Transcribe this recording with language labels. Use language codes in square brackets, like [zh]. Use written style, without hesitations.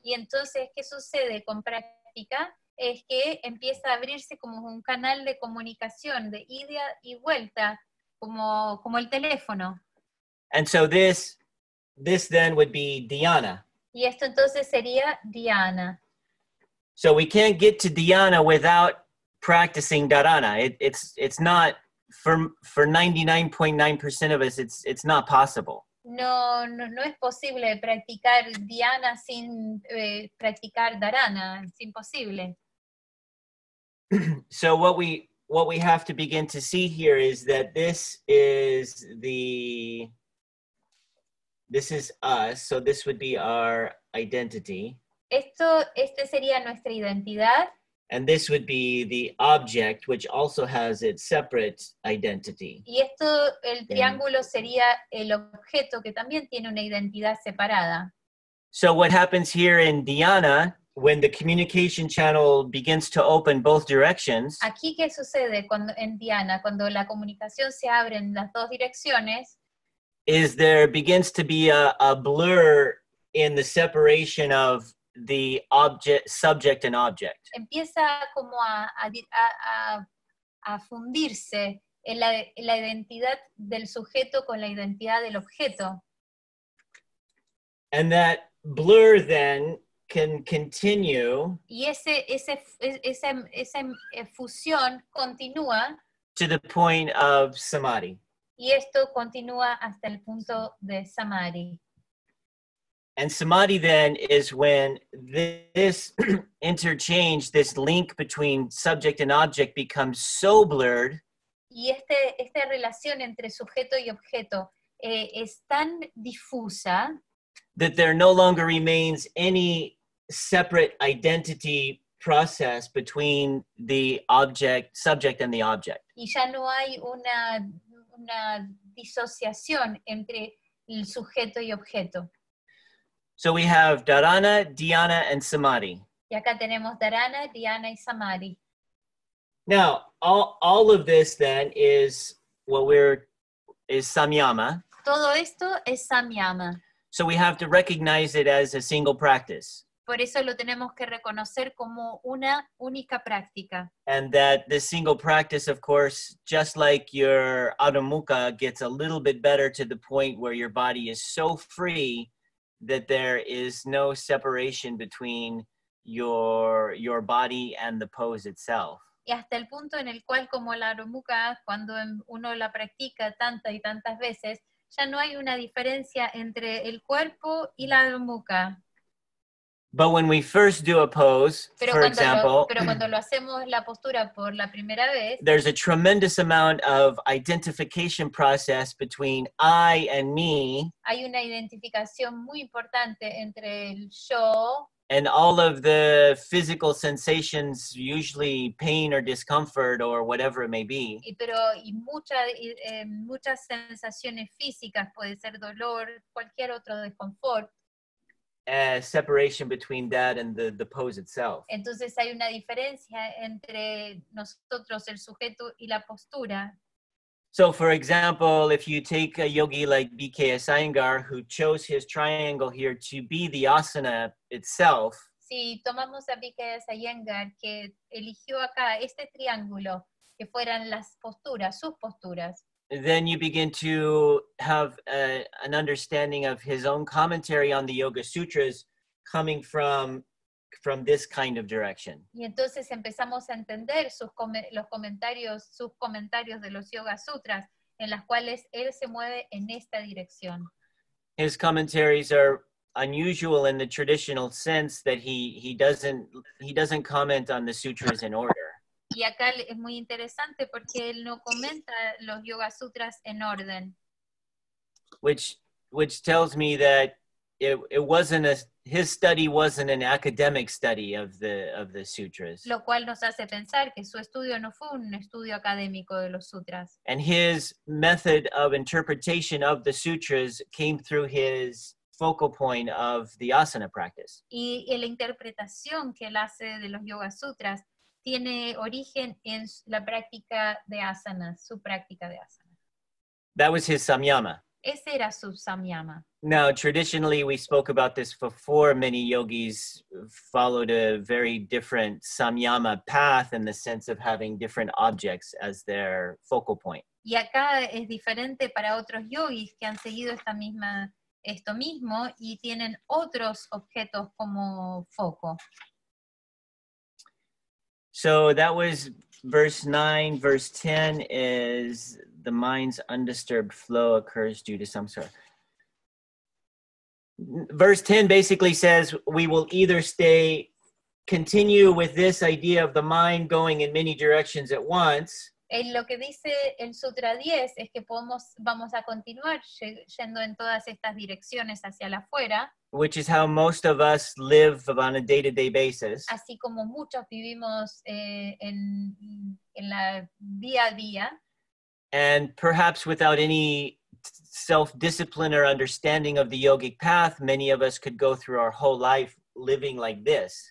[es] Y entonces, ¿qué sucede con práctica? es que empieza a abrirse como un canal de comunicación, de ida y vuelta, como el teléfono. [en] And so this then would be Diana. [es] Y esto entonces sería Diana. [en] So we can't get to Diana without practicing Dharana. It's not for 99.9% of us, it's not possible. [es] No es posible practicar Dhyana sin practicar Dharana. Es imposible. [en] So what we have to begin to see here is that this is us, so this would be our identity. [es] Este sería nuestra identidad. [en] And this would be the object, which also has its separate identity. [es] Y esto, el triángulo, sería el objeto que también tiene una identidad separada. [en] So what happens here in Diana, when the communication channel begins to open both directions? [es] Aquí qué sucede cuando en Diana, cuando la comunicación se abre en las dos direcciones? [en] Is there begins to be a blur in the separation of the object, subject and object. [es] Empieza como a fundirse en la identidad del sujeto con la identidad del objeto. [en] And that blur then can continue. [es] Y esa fusión continúa. [en] To the point of samadhi. [es] Y esto continúa hasta el punto de samadhi. [en] And samadhi then is when this interchange, this link between subject and object becomes so blurred. [es] Y esta relación entre sujeto y objeto es tan difusa [en] that there no longer remains any separate identity process between the object, subject and the object. [es] Y ya no hay una disociación entre el sujeto y objeto. [en] So we have Dharana, Dhyana, and Samadhi. [es] Y acá tenemos Dharana, Dhyana, y Samadhi. [en] Now, all of this then is what is Samyama. [es] Todo esto es Samyama. [en] So we have to recognize it as a single practice. [es] Por eso lo tenemos que reconocer como una única práctica. [en] And that this single practice, of course, just like your Adomukha, gets a little bit better to the point where your body is so free that there is no separation between your body and the pose itself. [es] Y hasta el punto en el cual, como la Aromuka, cuando uno la practica tantas y tantas veces, ya no hay una diferencia entre el cuerpo y la Aromuka. [en] But when we first do a pose, [es] pero cuando lo hacemos la postura por la primera vez, [en] there's a tremendous amount of identification process between I and me. [es] Hay una identificación muy importante entre el yo [en] and all of the physical sensations, usually pain or discomfort or whatever it may be. [es] Y muchas sensaciones físicas, puede ser dolor, cualquier otro desconfort. [en] A separation between that and the pose itself. [es] Entonces hay una diferencia entre nosotros, el sujeto, y la postura. [en] So for example, if you take a yogi like BKS Iyengar, who chose his triangle here to be the asana itself. [es] Si tomamos a BKS Iyengar, que eligió acá este triángulo, que fueran las posturas, sus posturas. [en] Then you begin to have an understanding of his own commentary on the Yoga Sutras coming from this kind of direction. [es] Y entonces empezamos a entender sus comentarios de los Yoga Sutras, en las cuales él se mueve en esta dirección. [en] His commentaries are unusual in the traditional sense that he doesn't comment on the sutras in order. [es] Y acá es muy interesante porque él no comenta los Yoga Sutras en orden. [en] Which tells me that his study wasn't an academic study of the sutras. [es] Lo cual nos hace pensar que su estudio no fue un estudio académico de los sutras. [en] And his method of interpretation of the sutras came through his focal point of the asana practice. [es] Y la interpretación que él hace de los Yoga Sutras tiene origen en la práctica de asanas, su práctica de asanas. [en] That was his samyama. [es] Ese era su samyama. [en] Now, traditionally, we spoke about this before. Many yogis followed a very different samyama path in the sense of having different objects as their focal point. [es] Y acá es diferente para otros yogis que han seguido esta misma, esto mismo y tienen otros objetos como foco. [en] So that was verse 9. Verse 10 is the mind's undisturbed flow occurs due to samsara. Verse 10 basically says we will either stay, continue with this idea of the mind going in many directions at once. [es] En lo que dice el Sutra 10 es que podemos, vamos a continuar yendo en todas estas direcciones hacia la afuera. [en] Which is how most of us live on a day-to-day basis. [es] Así como muchos vivimos en la día a día. [en] And perhaps without any self-discipline or understanding of the yogic path, many of us could go through our whole life living like this.